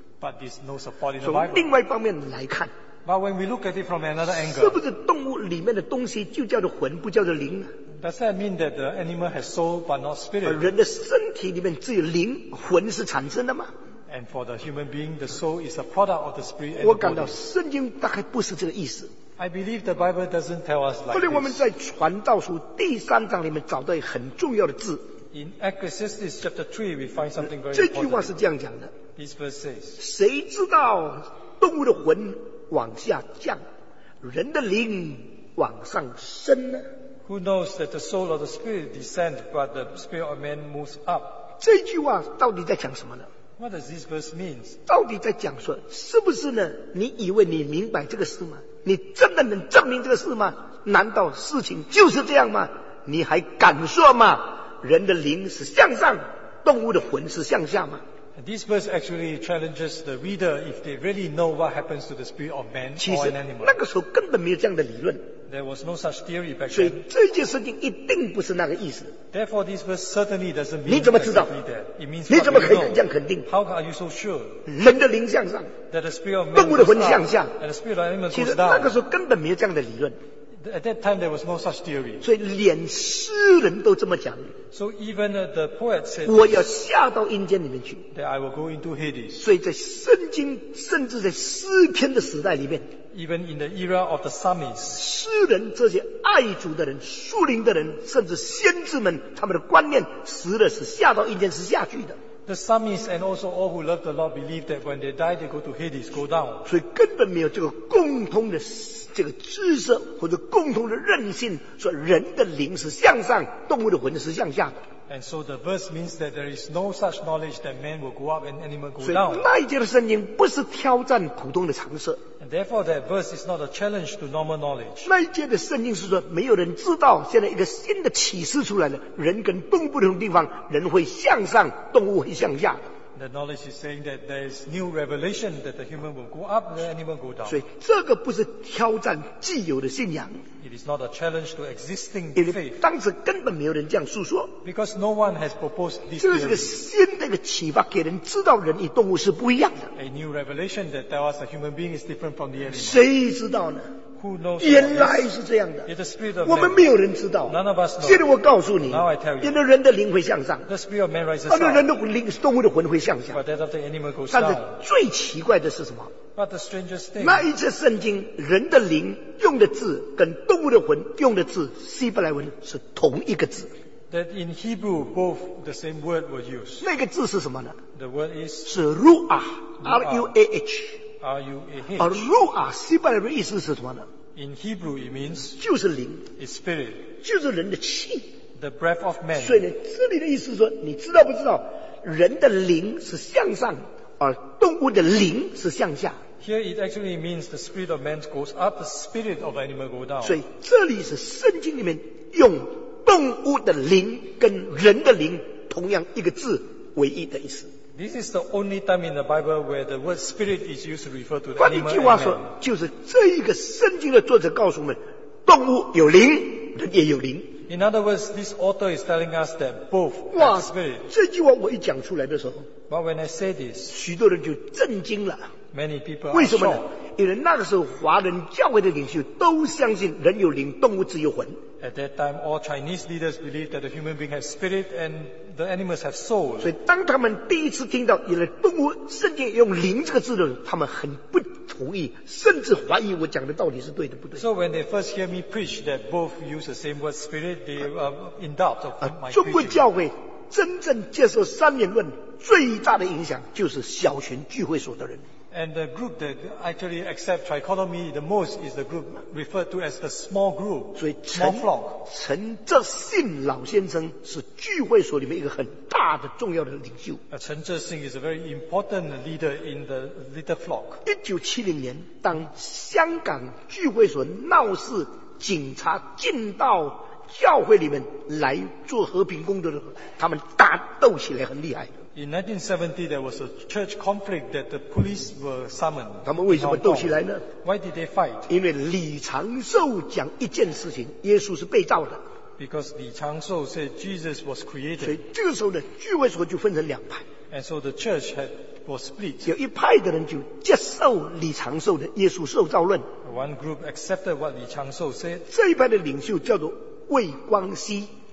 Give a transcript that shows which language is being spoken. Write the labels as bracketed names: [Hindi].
[English] But there's no support in the Bible. [Chinese] 从另外一方面来看。 [English] But when we look at it from another angle, [Chinese] 是不是动物里面的东西就叫做魂，不叫做灵？ [English] Does that mean that the animal has soul but not spirit? [Chinese] 人的身体里面只有灵，魂是产生的吗？ [English] And for the human being, the soul is a product of the spirit. [Chinese] 我感到圣经大概不是这个意思。 [English] I believe the Bible doesn't tell us like this. [Chinese] 后来我们在传道书第三章里面找到很重要的字。 [English] In Ecclesiastes chapter 3, we find something very [Chinese] important. 这句话是这样讲的。 [English] This verse says, [Chinese] 谁知道动物的魂往下降，人的灵往上升呢？ [English] Who knows that the soul of the spirit descends, but the spirit of man moves up? [Chinese] 这句话到底在讲什么呢？ [English] What does this verse mean? [Chinese] 到底在讲说，是不是呢？你以为你明白这个事吗？你真的能证明这个事吗？难道事情就是这样吗？你还敢说吗？人的灵是向上，动物的魂是向下吗？ [English] This verse actually challenges the reader if they really know what happens to the spirit of man or an animal. [Chinese] 那个时候根本没有这样的理论。 [English] There was no such theory back then. [Chinese] 所以这件事情一定不是那个意思。 [English] Therefore, this verse certainly doesn't mean [Chinese] that. 你怎么知道？ [English] It means [Chinese] 你怎么可以这样肯定？ [English] How are you so sure? [Chinese] 人的灵向上， [English] that the spirit of man [Chinese] 动物的魂向下， [English] and the spirit of animal goes down. [Chinese] 其实那个时候根本没有这样的理论。 [English] At that time, there was no such theory. [Chinese] 所以连诗人都这么讲。 [English] So even the poet said, [Chinese] 我要下到阴间里面去。 [English] That I will go into Hades. [Chinese] 所以在圣经，甚至在诗篇的时代里面， [English] even in the era of the psalmists, [Chinese] 诗人这些爱主的人、属灵的人，甚至先知们，他们的观念，死了是下到阴间是下去的。 [English] The psalmists and also all who love the Lord believe that when they die, they go to Hades, go down. [Chinese] 所以根本没有这个共通的这个知识或者共同的韧性，说人的灵是向上，动物的魂是向下的。 [English] And so the verse means that there is no such knowledge that man will go up and animal go down. [Chinese] 所以那一节的圣经不是挑战普通的常识。 [English] And therefore that verse is not a challenge to normal knowledge. [Chinese] 那一节的圣经是说，没有人知道现在一个新的启示出来了，人跟动物不同的地方，人会向上，动物会向下的。 [English] The knowledge is saying that there is new revelation that the human will go up, the animal go down. [Chinese] 所以这个不是挑战既有的信仰。 [English] It is not a challenge to existing faith. [Chinese] 因为当时根本没有人这样述说。 [English] Because no one has proposed this. [Chinese] 这是个新的一个启发，给人知道人与动物是不一样的。 [English] A new revelation that there was a human being is different from the animal. [Chinese] 谁知道呢？原来是这样的，我们没有人知道。现在我告诉你，因为人的灵会向上，但是人的灵，动物的魂会向下。但是最奇怪的是什么？ [English] But the strangest thing, [Chinese] 那一节圣经，人的灵用的字跟动物的魂用的字，希伯来文是同一个字。 [English] That in Hebrew, both the same word were used. [Chinese] 那个字是什么呢？ [English] The word is, [Chinese] 是 ruah, R-U-A-H。 [English] R-U-A-H. [Chinese] 而 Ruah 希伯来文意思是什么呢？ [English] In Hebrew it means [Chinese] 就是灵， [English] It's spirit. [Chinese] 就是人的气， [English] The breath of man. [Chinese] 所以这里的意思是说，你知道不知道人的灵是向上，而动物的灵是向下。 [English] Here it actually means the spirit of man goes up, the spirit of animal goes down. [Chinese] 所以这里是圣经里面用动物的灵跟人的灵同样一个字唯一的意思。 [English] This is the only time in the Bible where the word spirit is used to refer to the animal. [Chinese] 换句话说，就是这一个圣经的作者告诉我们，动物有灵，人也有灵。 [English] In other words, this author is telling us that both have spirit. [Chinese] 这句话我一讲出来的时候 [English] ，But when I say this, [Chinese] 许多人就震惊了。 [English] Many people are [Chinese] 为什么呢？因为那个时候华人教会的领袖都相信人有灵，动物只有魂。 [English] At that time, all Chinese leaders believed that the human being has spirit and the animals have soul. [Chinese] 所以当他们第一次听到原来动物圣经用灵这个字的时候，他们很不同意，甚至怀疑我讲的到底是对的不对。 [English] So when they first hear me preach that both use the same word spirit, they are in doubt of my preaching. [Chinese] 中国教会真正接受三元论最大的影响就是小群聚会所的人。 [English] And the group that actually accept trichotomy the most is the group referred to as the small group, small flock. [Chinese] 陈哲信老先生是聚会所里面一个很大的重要的领袖。 [English] 陈哲信 is a very important leader in the little flock. [Chinese] 1970年，当香港聚会所闹事，警察进到教会里面来做和平工作的时候，他们打斗起来很厉害。 [English] In 1970, there was a church conflict that the police were summoned. [Chinese] 他们为什么斗起来呢？ [English] Why did they fight? [Chinese] 因为李长寿讲一件事情，耶稣是被造的。 [English] Because 李长寿 said Jesus was created. [Chinese] 所以这个时候呢，聚会所就分成两派。 [English] And so the church was split. [Chinese] 有一派的人就接受李长寿的耶稣受造论。 [English] One group accepted what 李长寿 said. [Chinese] 这一派的领袖叫做魏光熙。